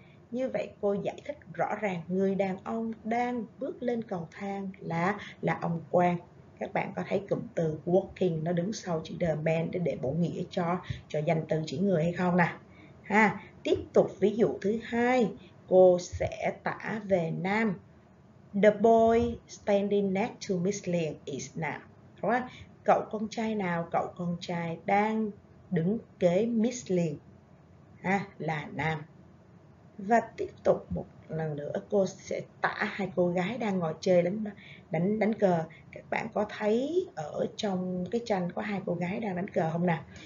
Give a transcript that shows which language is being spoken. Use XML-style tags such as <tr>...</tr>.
<vi>Như vậy cô giải thích rõ ràng người đàn ông đang bước lên cầu thang là ông Quang. Các bạn có thấy cụm từ walking nó đứng sau chữ the man để bổ nghĩa cho danh từ chỉ người hay không nào? Ha, tiếp tục ví dụ thứ hai, cô sẽ tả về nam.</vi> <en>The boy standing next to Miss Liên is now.</en> <vi>Cậu con trai nào? Cậu con trai đang đứng kế Miss Liên là nam. Và tiếp tục một lần nữa, cô sẽ tả hai cô gái đang ngồi chơi đánh cờ. Các bạn có thấy ở trong cái tranh có hai cô gái đang đánh cờ không nào?</vi>